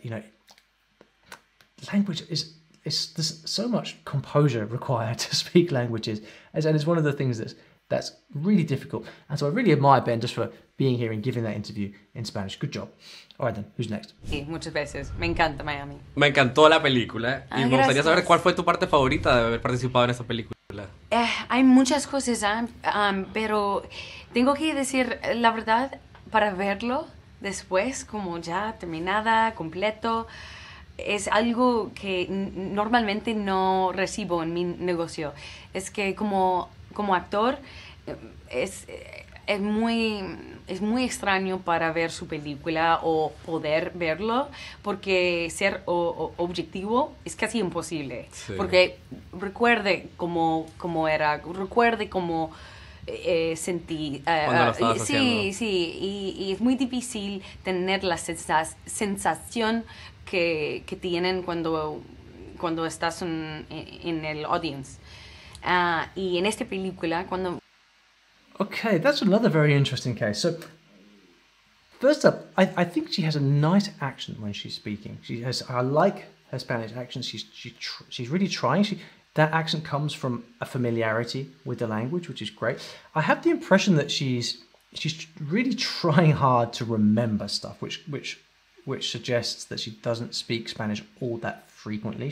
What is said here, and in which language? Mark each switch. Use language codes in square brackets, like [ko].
[en] You know, language is there's so much composure required to speak languages. And it's one of the things that's really difficult. And so I really admire Ben just for being here and giving that interview in Spanish. Good job. All right then, who's next? [es] Sí, muchas veces. Me encanta Miami. Me encantó la película. Y me gustaría saber cuál fue tu parte favorita de haber participado en esa película. Hay muchas cosas, pero tengo que decir la verdad, para verlo después, como ya terminada, completo, es algo que normalmente no recibo en mi negocio. Es que como actor, es muy extraño para ver su película o poder verlo, porque ser objetivo es casi imposible. Sí. Porque recuerde cómo era, recuerde cómo sentí. Sí, y es muy difícil tener la sensación que tienen cuando estás en el audience. Y en esta película, cuando... [en] Okay, that's another very interesting case. So, first up, I think she has a nice accent when she's speaking. I like her Spanish accent. She's really trying. That accent comes from a familiarity with the language, which is great. I have the impression that she's really trying hard to remember stuff, which suggests that she doesn't speak Spanish all that frequently.